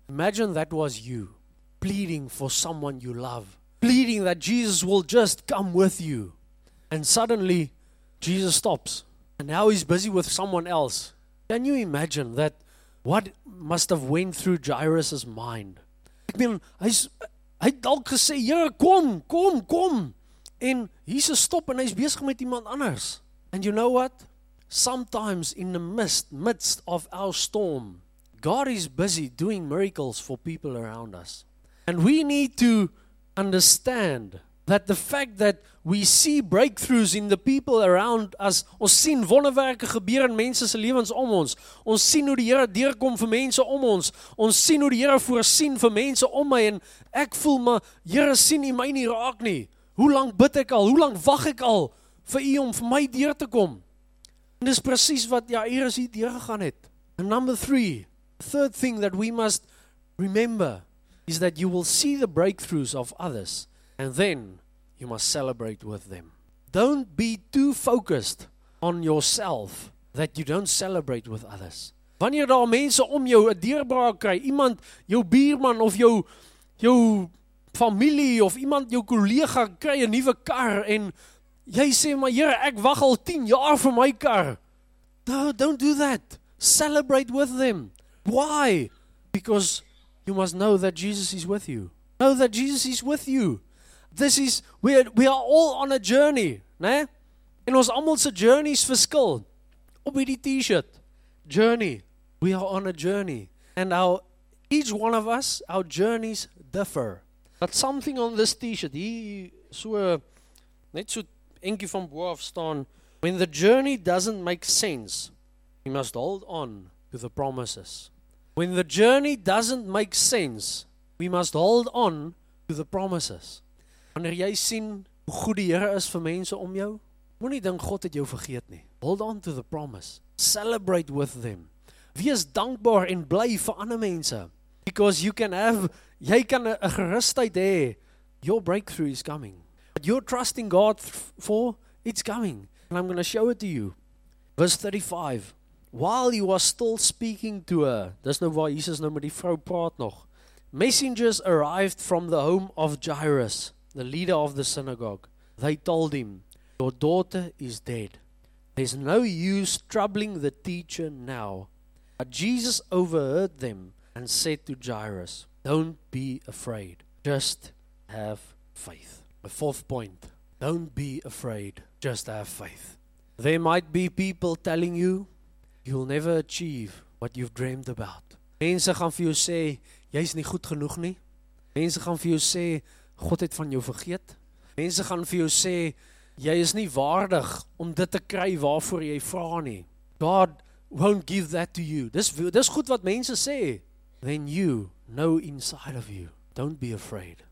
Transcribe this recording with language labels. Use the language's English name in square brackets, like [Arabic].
[English] Imagine that was you, pleading for someone you love. Pleading that Jesus will just come with you. And suddenly, Jesus stops. And now he's busy with someone else. Can you imagine that what must have went through Jairus' mind? I mean, [Afrikaans] hy dalk gesê, Here, kom. En Jesus stop en hy's besig met iemand anders. [English] And you know what? Sometimes in the midst of our storm, God is busy doing miracles for people around us. And we need to understand that the fact that we see breakthroughs in the people around us, [Afrikaans] ons sien wonderwerke gebeur in mense se lewens om ons, ons sien hoe die Here deurkom vir mense om ons, ons sien hoe die Here voorsien vir mense om my en ek voel maar, Here sien U my nie raak nie, hoe lang bid ek al, hoe lang wag ek al vir U om vir my deur te kom, en dis precies wat Jairus hier deurgegaan het. [English] And number three, the third thing that we must remember is that you will see the breakthroughs of others and then you must celebrate with them. Don't be too focused on yourself that you don't celebrate with others. [Afrikaans] Wanneer daar mense om jou 'n deurbraak kry, iemand, jou buurman of jou familie of iemand, jou kollega kry 'n nuwe kar en jy sê maar Here, ek wag al 10 jaar vir my kar. [English] No, don't do that. Celebrate with them. Why? Because you must know that Jesus is with you. Know that Jesus is with you. This is, we are all on a journey, né? [Afrikaans] En ons almal se journeys verskil. Op hierdie T-shirt, [English] journey. We are on a journey. And our, each one of us, our journeys differ. But something on this T-shirt, [Afrikaans] hier so, net so enkie van bo af staan, [English] when the journey doesn't make sense, we must hold on to the promises. When the journey doesn't make sense, we must hold on to the promises. [Afrikaans] Wanneer jy sien hoe goed die Here is vir mense om jou, moenie dink God het jou vergeet nie. [English] Hold on to the promise. Celebrate with them. [Afrikaans] Wees dankbaar en bly vir ander mense. [English] Because you can have, [Afrikaans] jy kan 'n gerustheid hê. [English] Your breakthrough is coming. What you're trusting God for, it's coming. And I'm going to show it to you. Verse 35. While he was still speaking to her, [Afrikaans] dis nou waar Jesus nou met die vrou praat nog, [English] messengers arrived from the home of Jairus, the leader of the synagogue. They told him, your daughter is dead. There's no use troubling the teacher now. But Jesus overheard them and said to Jairus, don't be afraid, just have faith. The fourth point, don't be afraid, just have faith. There might be people telling you, you'll never achieve what you've dreamed about. [Afrikaans] Mense gaan vir jou sê, jy's nie goed genoeg nie. Mense gaan vir jou sê, God het van jou vergeet. Mense gaan vir jou sê, jy is nie waardig om dit te kry waarvoor jy vra nie. [English] God won't give that to you. [Afrikaans] Dis goed wat mense sê. [English] Then you know inside of you, don't be afraid.